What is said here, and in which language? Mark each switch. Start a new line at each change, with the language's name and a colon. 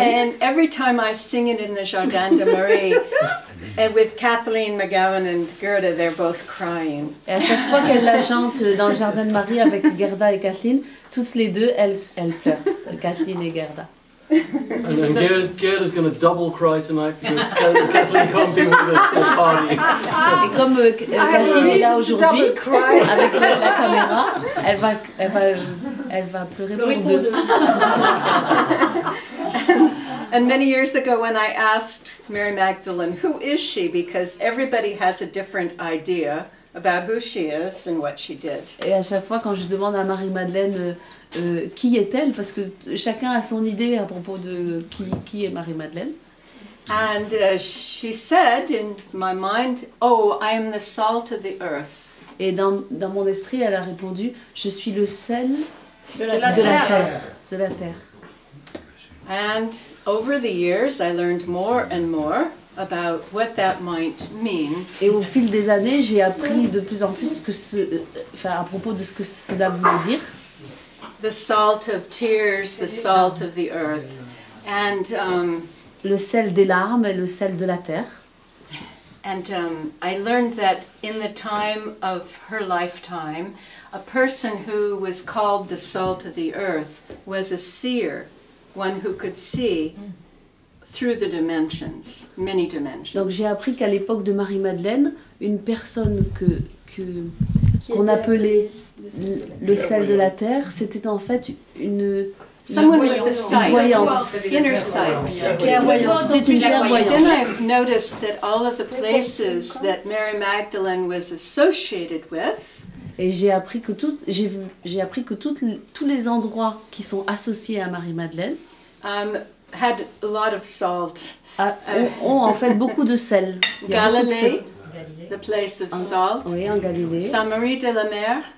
English: And every time I sing it in the Jardin de Marie, and with Kathleen McGowan and Gerda, they're both crying.
French: Et à chaque fois qu'elle la chante dans le Jardin de Marie avec Gerda et Kathleen, tous les deux, elles pleurent, Kathleen et Gerda.
English: And Gerda's going to double cry tonight because Kathleen can't be with us for the party.
French: Et comme Kathleen est là aujourd'hui avec la caméra, elle va pleurer pour deux.
English: And many years ago when I asked Mary Magdalene, who is she? Because everybody has a different idea about who she is and what she did.
French: Et à chaque fois quand je demande à Marie-Madeleine qui est-elle, parce que chacun a son idée à propos de qui est Marie-Madeleine.
English: And she said in my mind, oh, I am the salt of the earth.
French: Et dans mon esprit, elle a répondu, je suis le sel de la terre.
English: And over the years, I learned more and more about what that might mean.
French: Et au fil des années, j'ai appris de plus en plus à propos de ce que cela voulait dire.
English: The salt of tears, the salt of the earth, and
French: le sel des larmes et le sel de la terre.
English: And I learned that in the time of her lifetime, a person who was called the salt of the earth was a seer. One who could see through the dimensions, many dimensions.
French: Donc j'ai appris qu'à l'époque de Marie-Madeleine, une personne qu'on appelait le sel de la terre, c'était en fait une voyante,
English: inner sight.
French: C'était une clairvoyante.
English: Then I noticed that all of the places that Mary Magdalene was associated with.
French: Et j'ai appris que tous les endroits qui sont associés à Marie-Madeleine
English: had a lot of salt.
French: Ont en fait beaucoup de sel.
English: Galilée, the place of salt.
French: Oui, en Galilée. Saint-Marie de la Mer.